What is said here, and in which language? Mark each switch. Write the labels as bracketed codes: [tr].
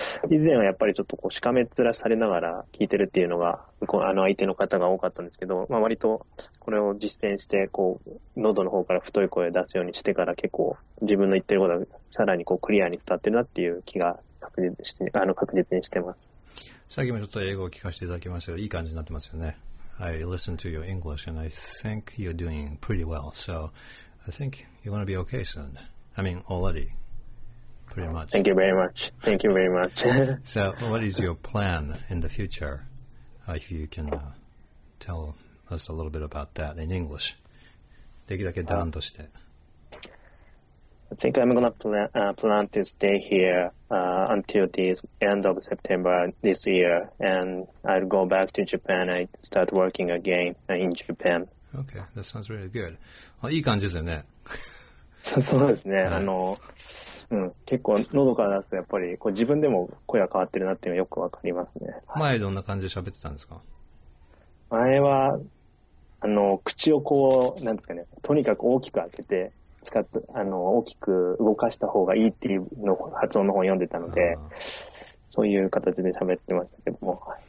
[ja] 以前はやっぱりちょっとこうしかめっ面されながら聞いてるっていうのがこうあの相手の方が多かったんですけど、まあ割とこれを実践してこう喉の方から太い声を出すようにしてから、結構自分の言ってることがさらにこうクリアに伝わってるなっていう気が確実にしてます。さっきもちょっと英語を聞かせていただきましたけど、いい感じになってますよね。 [en] I listened to your English and I think you're doing pretty well, so I think you're going to be okay soon. I mean already pretty much. Thank you very much. Thank you very much. So what is your plan in the futureIf you can tell us a little bit about that in English. [ja] できるだけダランとして。 [en] I think I'm going to plan to stay here until the end of September this year, and I'll go back to Japan and start working again in Japan. Okay, that sounds really good. [ja] Well, いい感じですよね。そうですね。はい、結構喉から出すとやっぱりこう自分でも声が変わってるなっていうのよくわかりますね。前どんな感じで喋ってたんですか？前は口をこうなんですかね、とにかく大きく開けて使って大きく動かした方がいいっていうの発音の本読んでたので、そういう形で喋ってましたけども、